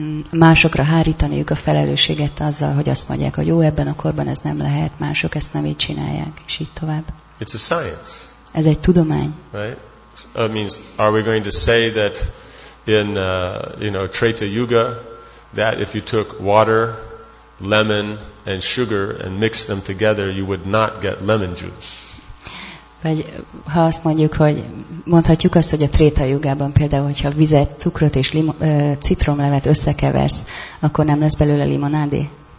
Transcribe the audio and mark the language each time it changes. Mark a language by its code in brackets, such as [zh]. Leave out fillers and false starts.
[hu] Másokra hárítaniuk a felelősséget azzal, hogy azt mondják, hogy jó, ebben a korban ez nem lehet, mások ezt nem így csinálják, és így tovább. [en] It's a science. [hu] Ez egy tudomány. [en] Right? It means, are we going to say that in you know, Treta Yuga, that if you took water, lemon and sugar and mixed them together, you would not get lemon juice? [hu] Vagy ha azt mondjuk, hogy mondhatjuk azt, hogy a Tréta Jugában például, hogyha vizet, cukrot és citromlevet összekeversz, akkor nem lesz belőle limonádé.